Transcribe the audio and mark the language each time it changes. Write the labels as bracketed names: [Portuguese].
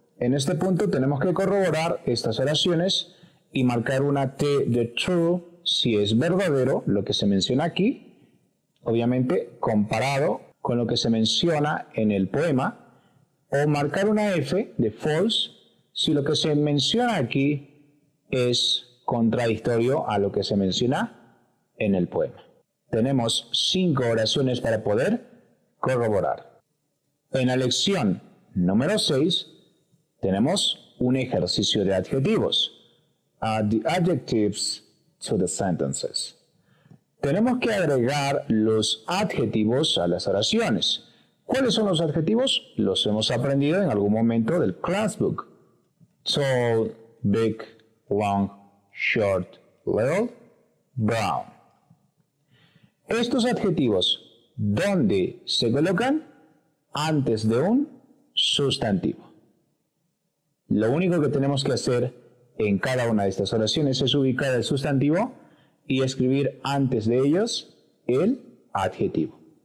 [Spanish] En este punto tenemos que corroborar estas oraciones y marcar una T de true si es verdadero lo que se menciona aquí, obviamente comparado con lo que se menciona en el poema, o marcar una F de false si lo que se menciona aquí es contradictorio a lo que se menciona en el poema. Tenemos 5 oraciones para poder corroborar. En la lección número 6 tenemos un ejercicio de adjetivos. [English] Add the adjectives to the sentences. [Spanish] Tenemos que agregar los adjetivos a las oraciones. ¿Cuáles son los adjetivos? Los hemos aprendido en algún momento del classbook. [English] Tall, big, long, short, little, brown. [Spanish] Estos adjetivos, ¿dónde se colocan? Antes de un sustantivo. Lo único que tenemos que hacer en cada una de estas oraciones es ubicar el sustantivo y escribir antes de ellos el adjetivo.